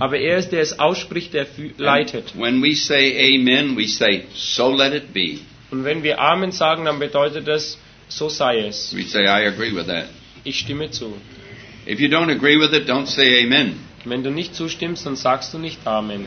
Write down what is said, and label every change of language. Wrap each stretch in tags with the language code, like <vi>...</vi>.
<de>Aber er ist der, es ausspricht, der leitet.</de> <en>When we say Amen, we say, so let it be.</en> <de>Und wenn wir Amen sagen, dann bedeutet das, so sei es.</de> <en>We say, I agree with that.</en> <de>Ich stimme zu.</de> <en>If you don't agree with it, don't say Amen.</en> <de>Wenn du nicht zustimmst, dann sagst du nicht Amen.</de>